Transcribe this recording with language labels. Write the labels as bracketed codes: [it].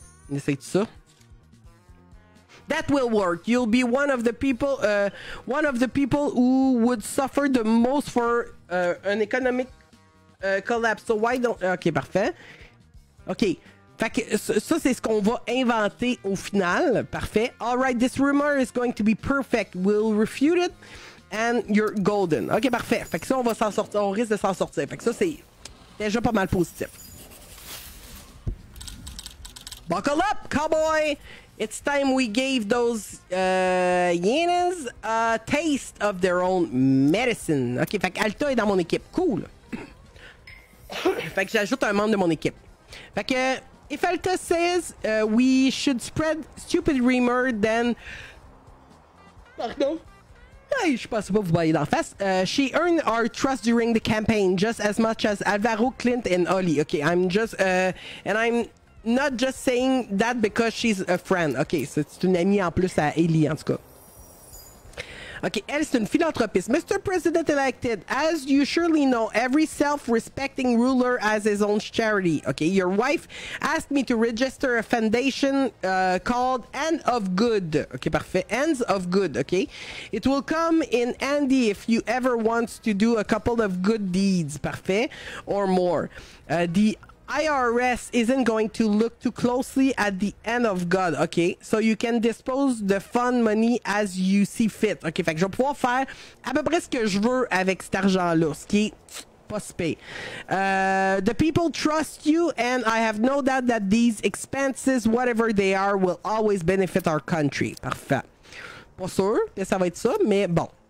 [fr] On essaie de ça. [en] That will work. You'll be one of the people who would suffer the most for an economic collapse. So why don't... [fr] Ok, parfait. Ok. Fait que ça, c'est ce qu'on va inventer au final. Parfait. [en] Alright, this rumor is going to be perfect. We'll refute it and you're golden. [fr] Ok, parfait. Fait que ça, on va s'en sortir. On risque de s'en sortir. Fait que ça, c'est déjà pas mal positif. [en] Buckle up, cowboy! It's time we gave those hyenas a taste of their own medicine. [fr] Ok, fait que Alta est dans mon équipe. Cool! Fait que j'ajoute un membre de mon équipe. Fait que, [en] if Alta says we should spread stupid rumor, then... [fr] Pardon? Hey, je pense pas vous voyez dans la face. [en] She earned our trust during the campaign, just as much as Alvaro, Clint, and Oli. Ok, I'm just... and I'm... Not just saying that because she's a friend. [fr] Ok, c'est une amie en plus à Ellie, en tout cas. Ok, elle, c'est une philanthropiste. Mr. [en] President-elected, as you surely know, every self-respecting ruler has his own charity. Ok, your wife asked me to register a foundation called End of Good. Ok, [fr] parfait. [en] Ends of Good, ok. It will come in handy if you ever want to do a couple of good deeds. [fr] Parfait. [en] Or more. The... IRS isn't going to look too closely at the end of God, okay? So you can dispose the fund money as you see fit, okay? [fr] Fait que je vais pouvoir faire à peu près ce que je veux avec cet argent-là, ce qui est pas si payé. [en] The people trust you and I have no doubt that these expenses, whatever they are, will always benefit our country. [fr] Parfait. Pas sûr que ça va être ça, mais bon.